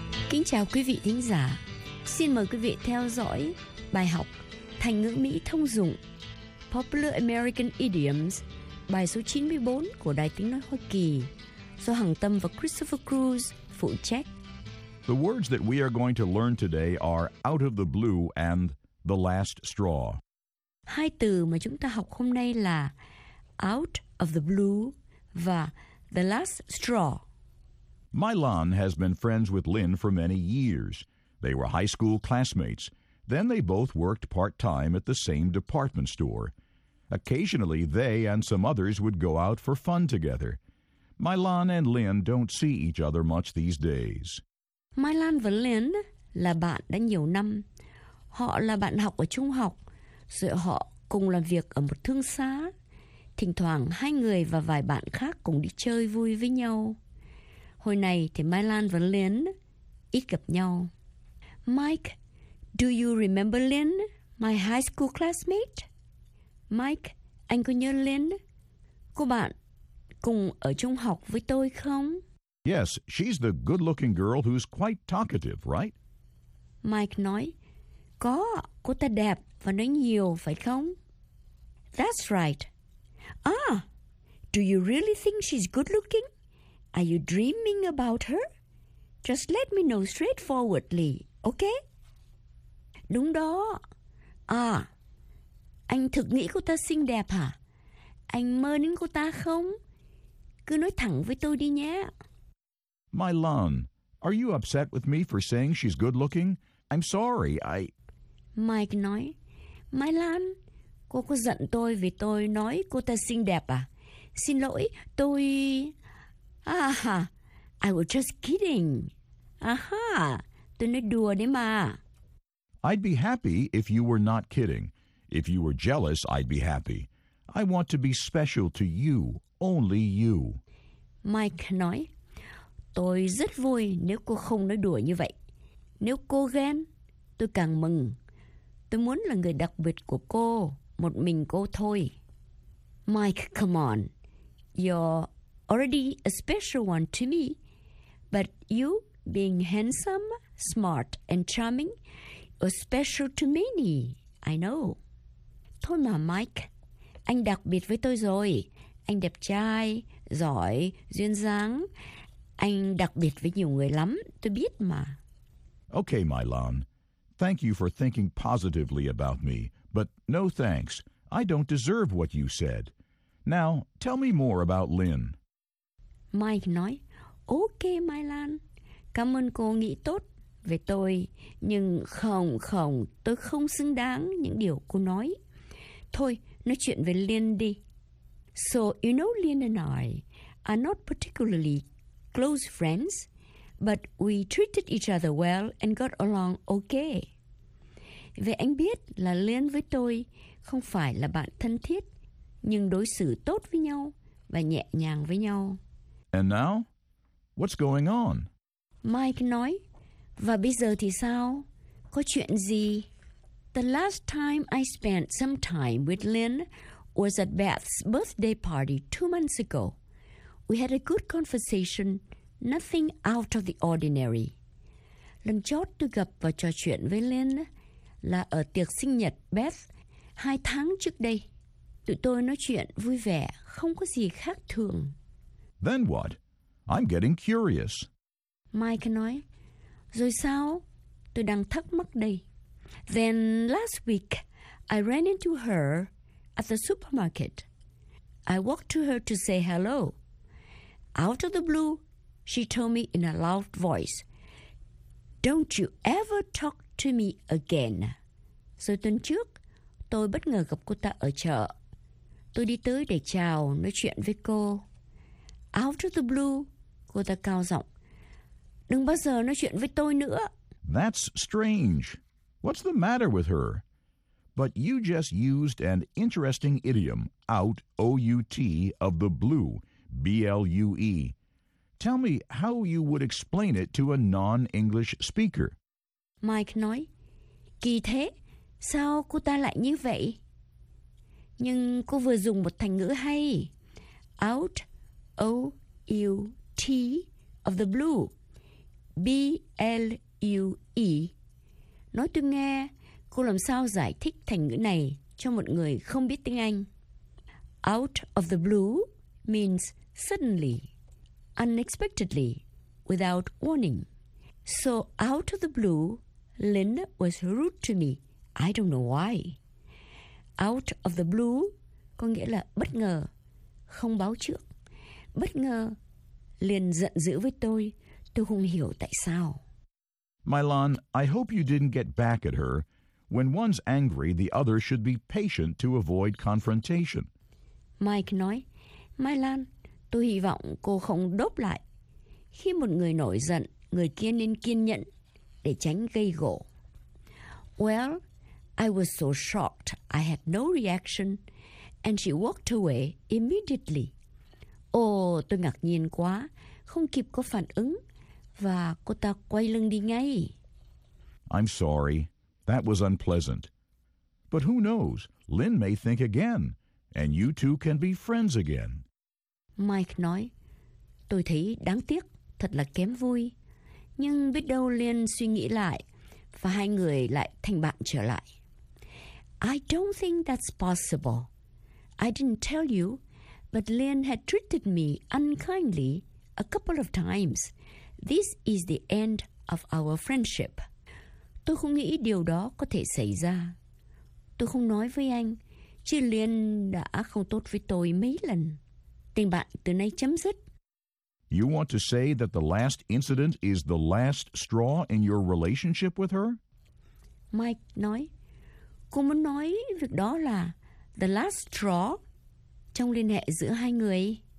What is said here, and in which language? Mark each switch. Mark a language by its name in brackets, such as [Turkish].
[Vietnamese] Kính chào quý vị thính giả, xin mời quý vị theo dõi bài học Thành ngữ Mỹ thông dụng [English] Popular American Idioms, [Vietnamese] bài số 94 của Đài Tiếng Nói Hoa Kỳ, do Hằng Tâm và Christopher Cruz phụ trách. [English] The words that we are going to learn today are out of the blue and the last straw. [Vietnamese] Hai từ mà chúng ta học hôm nay là [English] out of the blue [Vietnamese] và [English] the last straw. Mylan has been friends with Lynn for many years. They were high school classmates. Then they both worked part-time at the same department store. Occasionally, they and some others would go out for fun together. Mylan and Lynn don't see each other much these days. [Vietnamese] Mylan và Lynn là bạn đã nhiều năm. Họ là bạn học ở trung học, rồi họ cùng làm việc ở một thương xá. Thỉnh thoảng, hai người và vài bạn khác cùng đi chơi vui với nhau. Hồi này thì Mylan và Lynn ít gặp nhau. [English] Mike, do you remember Lynn, my high school classmate? [Vietnamese] Mike, anh có nhớ Lynn, cô bạn cùng ở trung học với tôi không? [English] Yes, she's the good-looking girl who's quite talkative, right? [Vietnamese] Mike nói, có, cô ta đẹp và nói nhiều, phải không? [English] That's right. Ah, do you really think she's good-looking? Are you dreaming about her? Just let me know straightforwardly, okay? [Vietnamese] Đúng đó. À, anh thực nghĩ cô ta xinh đẹp hả? Anh mơ đến cô ta không? Cứ nói thẳng với tôi đi nhé. [English] Mylan, are you upset with me for saying she's good looking? I'm sorry, I... [Vietnamese] Mike nói, Mylan, cô có giận tôi vì tôi nói cô ta xinh đẹp à? Xin lỗi, tôi... [English] I was just kidding. [Vietnamese] Aha, tôi nói đùa đấy mà. [English] I'd be happy if you were not kidding. If you were jealous, I'd be happy. I want to be special to you, only you. [Vietnamese] Mike nói, tôi rất vui nếu cô không nói đùa như vậy. Nếu cô ghen, tôi càng mừng. Tôi muốn là người đặc biệt của cô, một mình cô thôi. [English] Mike, come on. You're already a special one to me, but you, being handsome, smart, and charming, are special to many, I know. [Vietnamese] Thôi mà Mike, anh đặc biệt với tôi rồi. Anh đẹp trai, giỏi, duyên dáng. Anh đặc biệt với nhiều người lắm, tôi biết mà. [English] Okay, Mylan, thank you for thinking positively about me, but no thanks. I don't deserve what you said. Now, tell me more about Lynn. [Vietnamese] Mike nói, ok Mylan, cảm ơn cô nghĩ tốt về tôi, nhưng không, không, tôi không xứng đáng những điều cô nói. Thôi, nói chuyện về Lynn đi. [English] So, you know Lynn and I are not particularly close friends, but we treated each other well and got along okay. [Vietnamese] Vậy anh biết là Lynn với tôi không phải là bạn thân thiết, nhưng đối xử tốt với nhau và nhẹ nhàng với nhau. [English] And now, what's going on? [Vietnamese] Mike nói, và bây giờ thì sao? Có chuyện gì? [English] The last time I spent some time with Lynn was at Beth's birthday party 2 months ago. We had a good conversation, nothing out of the ordinary. [Vietnamese] Lần chót tôi gặp và trò chuyện với Lynn là ở tiệc sinh nhật Beth 2 tháng trước đây. Tụi tôi nói chuyện vui vẻ, không có gì khác thường. [English] Then what? I'm getting curious. [Vietnamese] Mike nói, rồi sao? Tôi đang thắc mắc đây. [English] Then last week, I ran into her at the supermarket. I walked to her to say hello. Out of the blue, she told me in a loud voice, "Don't you ever talk to me again." [Vietnamese] Rồi tuần trước, tôi bất ngờ gặp cô ta ở chợ. Tôi đi tới để chào, nói chuyện với cô. [English] Out of the blue, [Vietnamese] cô ta cao giọng, "Đừng bao giờ nói chuyện với tôi nữa." [English] That's strange. What's the matter with her? But you just used an interesting idiom, out, O-U-T, of the blue, B-L-U-E. Tell me how you would explain it to a non-English speaker. [Vietnamese] Mike nói, kỳ thế, sao cô ta lại như vậy? Nhưng cô vừa dùng một thành ngữ hay. [English] Out, O-U-T, of the blue, B-L-U-E. [Vietnamese] Nói tôi nghe, cô làm sao giải thích thành ngữ này cho một người không biết tiếng Anh? [English] Out of the blue means suddenly, unexpectedly, without warning. So out of the blue, Lynn was rude to me. I don't know why. Out of the blue [Vietnamese] có nghĩa là bất ngờ, không báo trước. Bất ngờ, liền giận dữ với tôi. Tôi không hiểu tại sao. [English] Mylon, I hope you didn't get back at her. When one's angry, the other should be patient to avoid confrontation. [Vietnamese] Mike nói, Mylon, tôi hy vọng cô không đốp lại. Khi một người nổi giận, người kia nên kiên nhẫn để tránh gây gổ. [English] Well, I was so shocked I had no reaction, and she walked away immediately. [Vietnamese] Oh, tôi ngạc nhiên quá, không kịp có phản ứng, và cô ta quay lưng đi ngay. [English] I'm sorry. That was unpleasant. But who knows? Lynn may think again, and you two can be friends again. [Vietnamese] Mike nói, tôi thấy đáng tiếc, thật là kém vui. Nhưng biết đâu Lynn suy nghĩ lại, và hai người lại thành bạn trở lại. [English] I don't think that's possible. I didn't tell you, but Lynn had treated me unkindly a couple of times. This is the end of our friendship. [Vietnamese] Tôi không nghĩ điều đó có thể xảy ra. Tôi không nói với anh, chứ Liên đã không tốt với tôi mấy lần. Tình bạn từ nay chấm dứt. [English] You want to say that the last incident is the last straw in your relationship with her? [Vietnamese] Mike nói, cô muốn nói việc đó là [English] the last straw [Vietnamese] trong liên hệ giữa hai người.